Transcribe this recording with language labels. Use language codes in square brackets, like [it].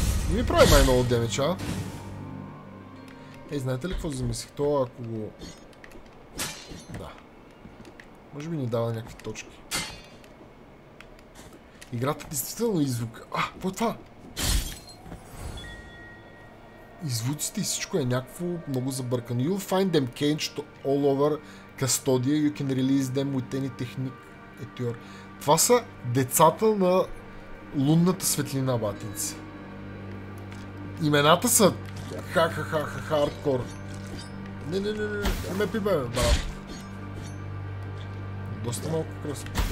[bg] Не ми прави май много демидж, а? Ей, знаете ли какво замислих? То, ако го... Да. Може би ни дава някакви точки. Играта действително и звук. А, какво е това? И звуците и всичко е някакво много забъркано. [en] You'll find them caged all over Custodia. You can release them with any technique at your... [bg] Това са децата на лунната светлина, батинци. Имената са ха-ха-ха-ха-ха, хардкор. Не-не-не-не, не ме пипай, бе, брат. Доста малко кръсно.